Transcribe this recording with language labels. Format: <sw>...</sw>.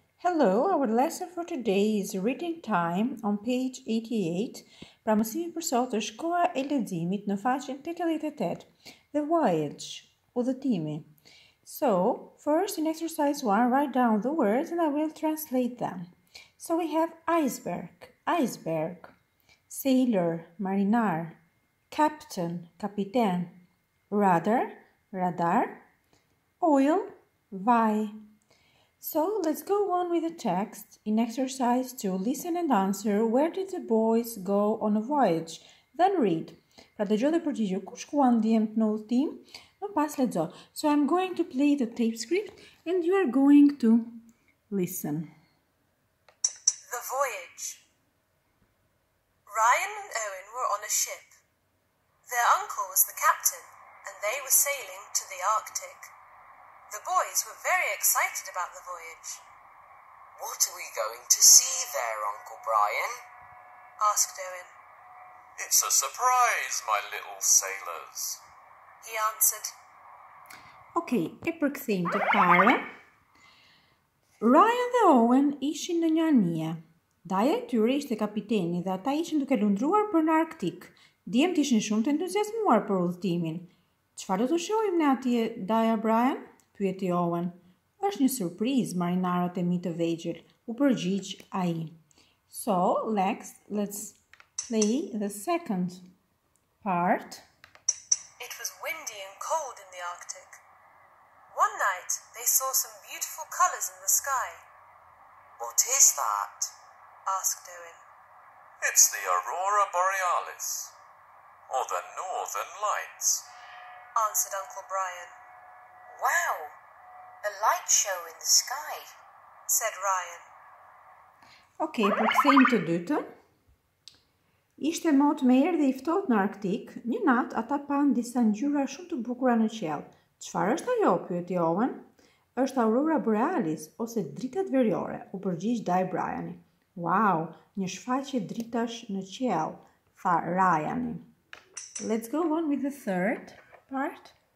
<en>Hello, our lesson for today is reading time on page 88.</en> <sq>Pra mësimin për sot është koha e leximit në faqen 88.</sq> <en>The voyage, udhëtimi. So, first in exercise 1, write down the words and I will translate them. So we have iceberg, iceberg. Sailor, marinar. Captain, capitan. Rudder, radar. Oil, vai. So, let's go on with the text. In exercise 2, listen and answer, where did the boys go on a voyage? Then read.</en> <sq>Pra dëgjoj dhe përgjigjo, ku shkuan djemt në udhëtim? Më pas lexo.</sq> <en>So, I'm going to play the tape script and you are going to listen. The voyage. Ryan and Owen were on a ship. Their uncle was the captain and they were sailing to the Arctic. The boys were very excited about the voyage. What are we going to see there, Uncle Brian? Asked Owen. It's a surprise, my little sailors, he answered.</en> <sq>Okay, e përkthim të parë. Ryan dhe Owen ishin në një anije. Daja e tyre ishte kapiteni dhe ata ishin duke lundruar për në Arktik. Djemt ishin shumë të entuziasmuar për udhëtimin. Çfarë do të shohim ne atje, Daja Brian? Pyeti Owen. Është një surprizë, marinarët e mi të vegjël, u përgjigj ai.</sq> <en>So, next, let's play the second part. It was windy and cold in the Arctic. One night, they saw some beautiful colours in the sky. What is that? Asked Owen. It's the Aurora Borealis, or the Northern Lights, answered Uncle Brian. Wow! A light show in the sky, said Ryan.</en> <sq>Okay, për kthejmë të dytën. Ishte motë me erë dhe i ftohtë në Arktik. Një natë, ata panë disa ngjyra shumë të bukura në qiell. Çfarë është ajo, pyeti Owen? Është Aurora Borealis, ose dritat veriore, u përgjigj Dai Bryani. Wow, një shfaqje dritash në qiell, tha Ryani.</sq> <en>Let's go on with the third part.</en>